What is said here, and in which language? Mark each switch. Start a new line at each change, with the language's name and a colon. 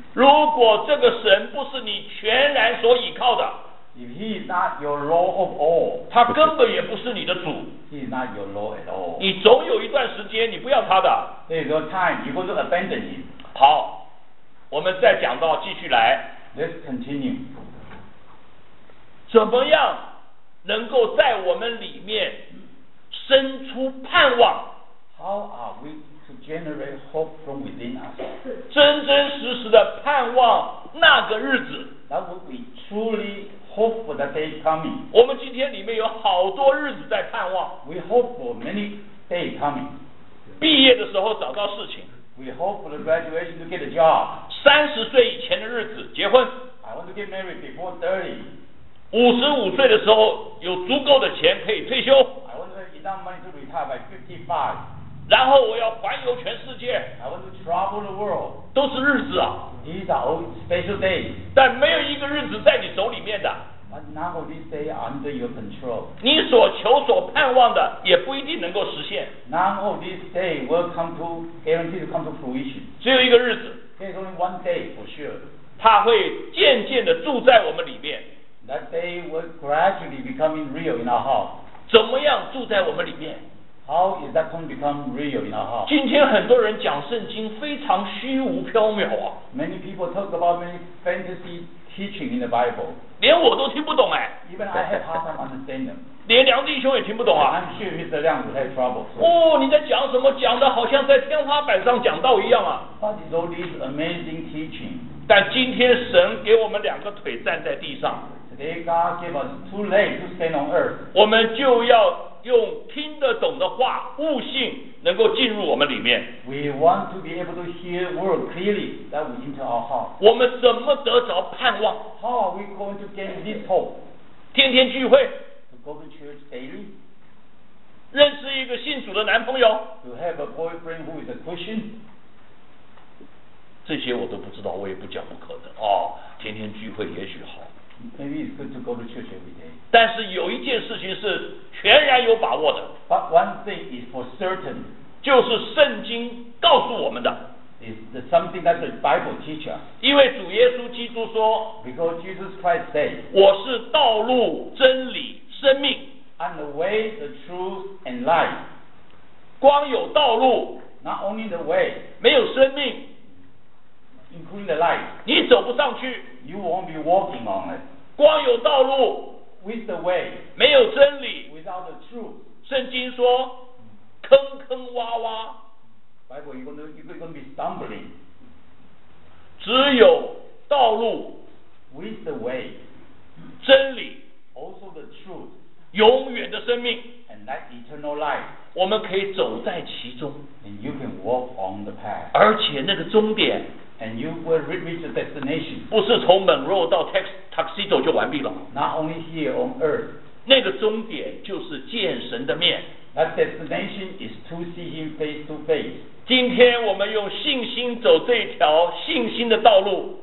Chinese: 如果这个神不是你全然所倚靠的。
English: If He is not your Lord of all,
Chinese: 他根本也不是你的主。
English: He is not your Lord at all.
Chinese: 你总有一段时间你不要他的。
English: There's no time. You will abandon Him.
Chinese: 好，我们再讲到继续来。
English: Let's continue.
Chinese: 怎么样能够在我们里面生出盼望？
English: How are we to generate hope from within us?
Chinese: 真真实实的盼望那个日子。
English: That would be truly hope for the day coming.
Chinese: 我们今天里面有好多日子在盼望。
English: We hope for many day coming.
Chinese: 毕业的时候找到事情。
English: We hope for the graduation to get a job.
Chinese: 三十岁以前的日子结婚。
English: I want to get married before 30.
Chinese: 五十五岁的时候有足够的钱可以退休。
English: I want to have enough money to retire by 55.
Chinese: 然后我要环游全世界。
English: I want to travel the world.
Chinese: 都是日子啊。
English: These are all special days.
Chinese: 但没有一个日子在你手里面的。
English: But none of these days are under your control.
Chinese: 你所求所盼望的也不一定能够实现。
English: None of these days will come to guarantee to come to fruition.
Chinese: 只有一个日子。
English: There's only one day for sure.
Chinese: 它会渐渐地住在我们里面。
English: That day will gradually become real in our heart.
Chinese: 怎么样住在我们里面？
English: How is that going to become real in our heart?
Chinese: 今天很多人讲圣经非常虚无缥缈啊。
English: Many people talk about many fantasy teaching in the Bible.
Chinese: 连我都听不懂哎。
English: Even I have hard time understanding them.
Chinese: 连梁弟兄也听不懂啊。
English: I'm sure Mr. 亮子 has trouble.
Chinese: 哦，你在讲什么？讲的好像在天花板上讲道一样啊。
English: But it's all these amazing teaching.
Chinese: 但今天神给我们两个腿站在地上。
English: Today God gave us two legs to stand on earth.
Chinese: 我们就要用听得懂的话，悟性能够进入我们里面。
English: We want to be able to hear word clearly that will enter our heart.
Chinese: 我们怎么得着盼望？
English: How are we going to gain this hope?
Chinese: 天天聚会。
English: To go to church daily.
Chinese: 认识一个信主的男朋友。
English: To have a boyfriend who is a Christian.
Chinese: 这些我都不知道，我也不讲不可能啊。天天聚会也许好。
English: Maybe it's good to go to church every day.
Chinese: 但是有一件事情是全然有把握的。
English: But one thing is for certain.
Chinese: 就是圣经告诉我们的。
English: It's something that the Bible teaches.
Chinese: 因为主耶稣基督说。
English: Because Jesus Christ said.
Chinese: 我是道路、真理、生命。
English: I'm the way, the truth, and life.
Chinese: 光有道路。
English: Not only the way.
Chinese: 没有生命。
English: Including the life.
Chinese: 你走不上去。
English: You won't be walking on it.
Chinese: 光有道路。
English: With the way.
Chinese: 没有真理。
English: Without the truth.
Chinese: 圣经说坑坑洼洼。
English: Bible, you're going to be stumbling.
Chinese: 只有道路。
English: With the way.
Chinese: 真理。
English: Also the truth.
Chinese: 永远的生命。
English: And that eternal life.
Chinese: 我们可以走在其中。
English: And you can walk on the path.
Chinese: 而且那个终点。
English: And you will reach the destination.
Chinese: 不是从 Monroe 到 Tuxedo 就完毕了。
English: Not only here on earth.
Chinese: 那个终点就是见神的面。
English: That destination is to see him face to face.
Chinese: 今天我们用信心走这条信心的道路。